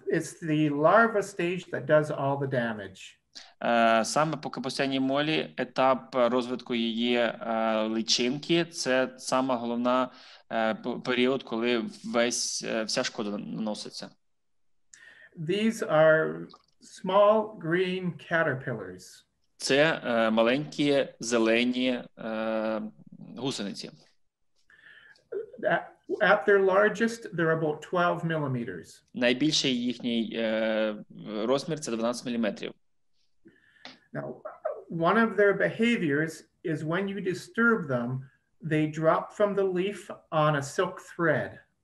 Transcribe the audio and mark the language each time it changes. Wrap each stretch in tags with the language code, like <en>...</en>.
<en>It's the larva stage that does all the damage.</en> <uk>Саме поки посяні молі, етап розвитку її личинки – це саме головна період, коли вся шкода наноситься.</uk> <en>These are small green caterpillars.</en> <uk>Це маленькі зелені гусениці.</uk> <en>At their largest, they're about 12 millimeters.</en> <uk>Найбільший їхній розмір – це 12 міліметрів.</uk> <en>Now, one of their behaviors is when you disturb them, they drop from the leaf on a silk thread.</en>